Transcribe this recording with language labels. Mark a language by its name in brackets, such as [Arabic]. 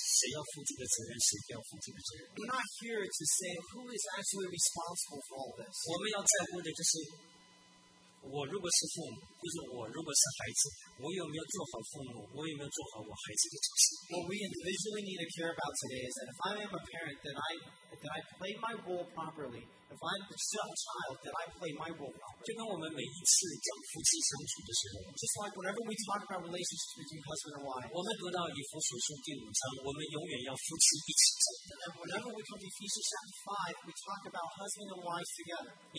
[Chinese] 所以今天不是在这里争谁要负这个责任，谁不要负这个责任。 [English] We're not here to say who is actually responsible for all this. [Chinese] 我们要在乎的就是。我如果是父母，或者我如果是孩子，我有没有做好父母？我有没有做好我孩子的角色？ [English] What we individually need to care about today is that if I am a parent, then I Did I play my role properly? If I'm the son child, did I play my role properly? Just like whenever we talk about relationships between husband and wife, whenever we come to Ephesians chapter 5, we talk about husband and wife together.